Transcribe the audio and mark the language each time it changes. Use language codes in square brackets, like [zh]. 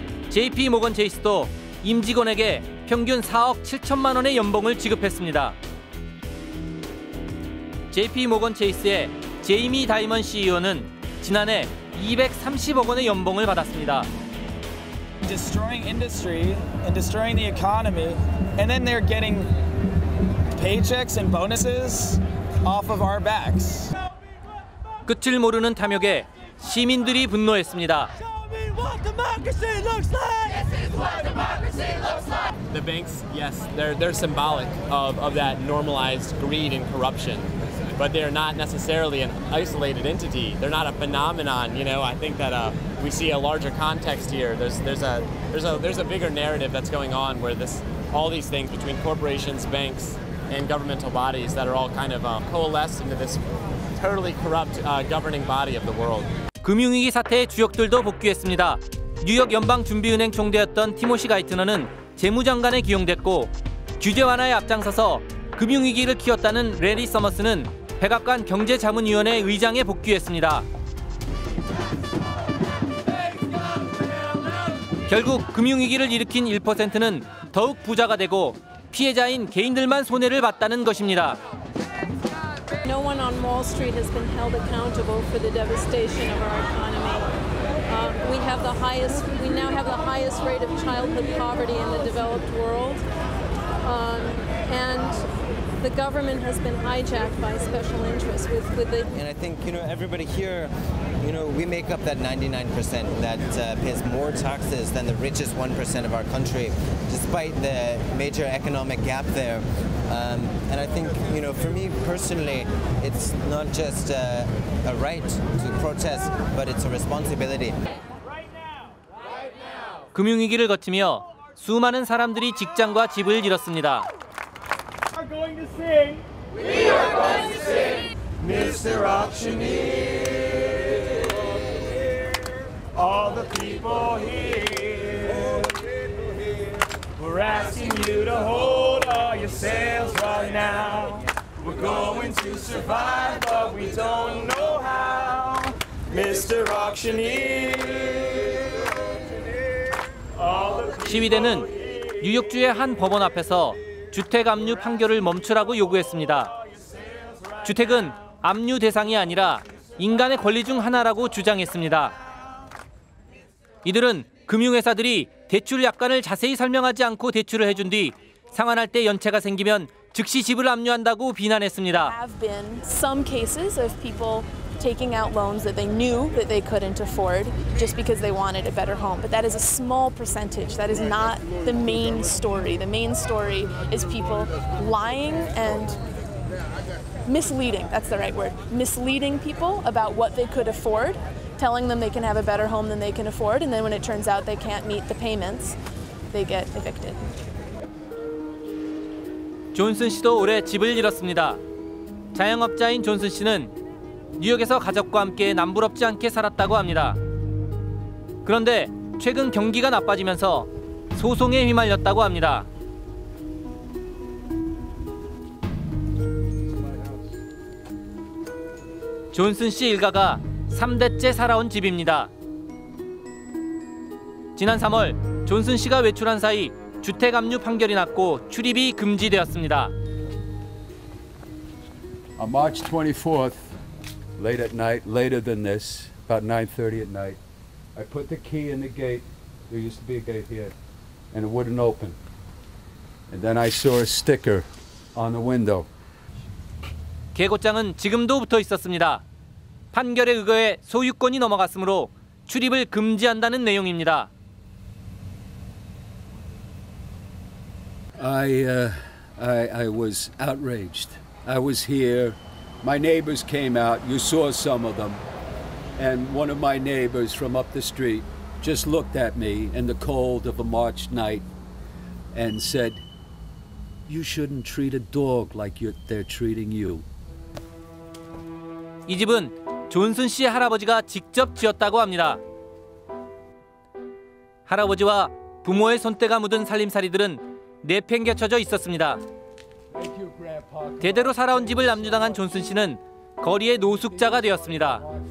[ko] JP 모건 제이스도 임직원에게 평균 4억 7천만 원의 연봉을 지급했습니다. JP 모건 체이스의 제이미 다이먼 CEO는 지난해 230억 원의 연봉을 받았습니다. [en] Destroying industry and destroying the economy and then they're getting paychecks and bonuses off of our backs. [ko] 끝을 모르는 탐욕에 시민들이 분노했습니다. [en] The banks, yes, they're symbolic of that normalized greed and corruption, but they're not necessarily an isolated entity. They're not a phenomenon. You know, I think that we see a larger context here. There's a bigger narrative that's going on where this all these things between corporations, banks, and governmental bodies that are all kind of coalesced into this totally corrupt governing body of the world. [ko] 금융위기 사태의 주역들도 복귀했습니다. 뉴욕 연방준비은행 총재였던 티모시 가이트너는 재무장관에 기용됐고 규제 완화에 앞장서서 금융위기를 키웠다는 레리 서머스는 백악관 경제자문위원회 의장에 복귀했습니다. 결국 금융위기를 일으킨 1%는 더욱 부자가 되고 피해자인 개인들만 손해를 봤다는 것입니다. [en] No one on Wall Street has been held accountable for the devastation of our economy. We now have the highest rate of childhood poverty in the developed world. And the government has been hijacked by special interests And I think, you know, everybody here, you know, we make up that 99% that pays more taxes than the richest 1% of our country, despite the major economic gap there. And I think, you know, for me personally, it's not just a right to protest, but it's a responsibility. Right now. [ko] 금융위기를 거치며 수많은 사람들이 직장과 집을 잃었습니다. [en] We are going to sing. We are going to sing. Mr. Auctioneer, all the people here. We're asking you to hold all your sails right now. We're going to survive, but we don't know how. Mr. Auctioneer. [ko] 시위대는 뉴욕주의 한 법원 앞에서 주택 압류 판결을 멈추라고 요구했습니다. 주택은 압류 대상이 아니라 인간의 권리 중 하나라고 주장했습니다. 이들은 금융회사들이 대출 약관을 자세히 설명하지 않고 대출을 해준 뒤 상환할 때 연체가 생기면 즉시 집을 압류한다고 비난했습니다. [en] There have been some cases of people taking out loans that they knew that they couldn't afford just because they wanted a better home, but that is a small percentage. That is not the main story. The main story is people lying and misleading. That's the right word. Misleading people about what they could afford. telling them they can have a better home than they can afford, and then when it turns out they can't meet the payments, they get evicted. [ko] 존슨 씨도 올해 집을 잃었습니다. 자영업자인 존슨 씨는 뉴욕에서 가족과 함께 남부럽지 않게 살았다고 합니다. 그런데 최근 경기가 나빠지면서 소송에 휘말렸다고 합니다. 존슨 씨 일가가 3대째 살아온 집입니다. 지난 3월 존슨 씨가 외출한 사이 주택 압류 판결이 났고 출입이 금지되었습니다. [en] On March 24th, late at night, later than this, about 9:30 at night, I put the key in the gate. There used to be a gate here, and it wouldn't open. And then I saw a sticker on the window. [ko] 개고장은 지금도 붙어 있었습니다. 판결에 의거해 소유권이 넘어갔으므로 출입을 금지한다는 내용입니다. [en] I was outraged. I was here. My neighbors came out. You saw some of them. And one of my neighbors from up the street just looked at me in the cold of a March night and said, "You shouldn't treat a dog like they're treating you." [ko] 이 집은 존슨 씨 할아버지가 직접 지었다고 합니다. 할아버지와 부모의 손때가 묻은 살림살이들은 내팽겨쳐져 있었습니다. 대대로 살아온 집을 압류당한 존슨 씨는 거리의 노숙자가 되었습니다.